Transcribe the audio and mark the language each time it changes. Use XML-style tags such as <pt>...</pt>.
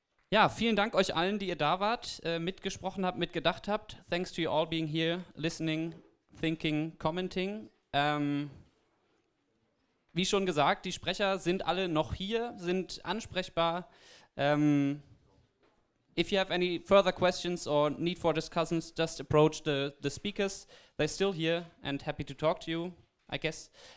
<de>Ja, vielen Dank euch allen, die ihr da wart, mitgesprochen habt, mitgedacht habt.</de> <en>Thanks to you all being here, listening, thinking, commenting.</en> <de>Wie schon gesagt, die Sprecher sind alle noch hier, sind ansprechbar.</de> <en>If you have any further questions or need for discussions, just approach the speakers. They're still here and happy to talk to you, I guess.</en>